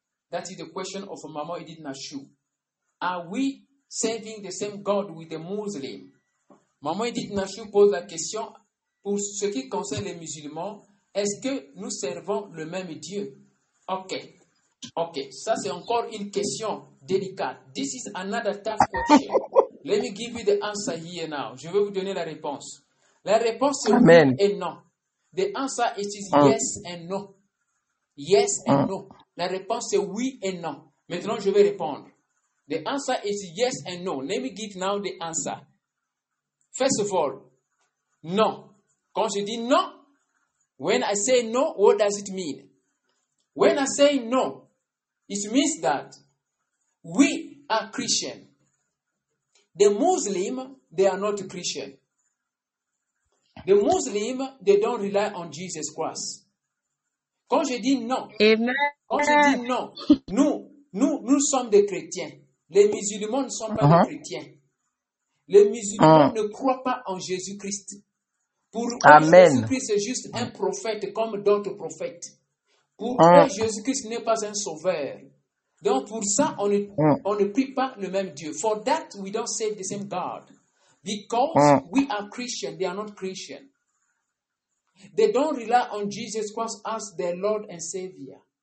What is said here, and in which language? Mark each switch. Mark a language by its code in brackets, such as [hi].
[en] That is the question of Maman Edith Nashu. Are we serving the same God with the Muslim? [fr] Maman Edith Nashu pose la question pour ce qui concerne les musulmans. Est-ce que nous servons le même Dieu? Ok. Ok. Ça, c'est encore une question délicate. [en] This is another tough question. Let me give you the answer here now. [fr] Je vais vous donner la réponse. La réponse est oui et non. [en] The answer is yes and no. Yes and no. [fr] La réponse est oui et non. Maintenant, je vais répondre. [en] The answer is yes and no. Let me give now the answer. First of all, [fr] non. Quand je dis non, [en] when I say no, what does it mean? When I say no, it means that we are Christian. The Muslim, they are not Christian. The Muslim, they don't rely on Jesus Christ. [fr] Quand je dis non, quand je dis non, nous sommes des chrétiens. Les musulmans ne sont pas des chrétiens. Les musulmans ne croient pas en Jésus-Christ. Pour eux, Jésus-Christ est juste un prophète comme d'autres prophètes. Pour eux, Jésus-Christ n'est pas un sauveur. Donc, pour ça, on ne prie pas le même Dieu. [en] For that, we don't serve the same God. Because we are Christian, they are not Christian. They don't rely on Jesus Christ as their Lord and Savior.